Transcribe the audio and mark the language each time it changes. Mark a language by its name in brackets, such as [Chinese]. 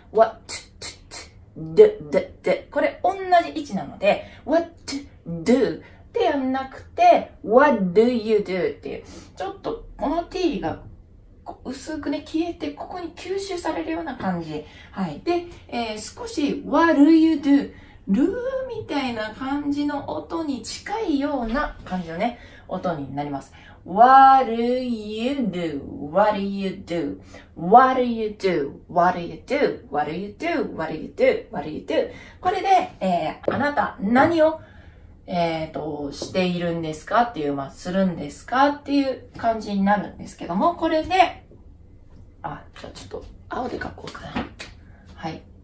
[Japanese] what, t,で、で、で、これ同じ位置なので、what, do ってやんなくて、 [English] what do you do [Japanese] っていう、ちょっとこの t が薄くね、消えて、ここに吸収されるような感じ。はい。で、少し [English] what do you do? [Japanese] ルーみたいな感じの音に近いような感じのね、音になります。 [English] what do you do? what do you do? what do you do? what do you do? what do you do? what do you do? what do you do? [Japanese] これで、あなた何を、しているんですかっていう、まあ、するんですかっていう感じになるんですけども、これで、あ、じゃあちょっと青で書こうかな。はい。